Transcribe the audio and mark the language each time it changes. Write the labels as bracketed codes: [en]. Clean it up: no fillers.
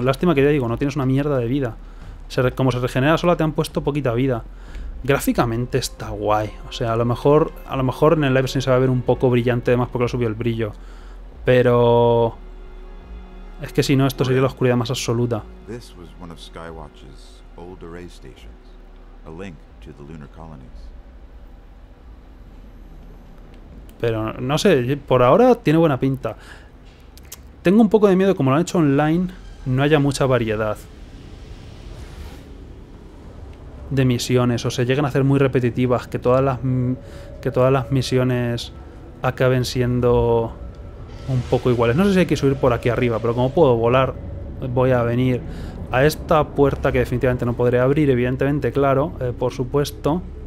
[es] Lástima que ya digo, no tienes una mierda de vida. Como se regenera sola, te han puesto poquita vida. Gráficamente está guay. O sea, a lo mejor en el live stream se va a ver un poco brillante, además porque lo subió el brillo. Pero... Es que si no, esto sería la oscuridad más absoluta. [en] This was one of Skywatch's old array stations, a link to the lunar colonies. [es] Pero no sé, por ahora tiene buena pinta. Tengo un poco de miedo, como lo han hecho online, no haya mucha variedad de misiones, o se lleguen a hacer muy repetitivas, que todas las misiones acaben siendo un poco iguales. No sé si hay que subir por aquí arriba, pero como puedo volar, voy a venir a esta puerta que definitivamente no podré abrir, evidentemente, claro, por supuesto.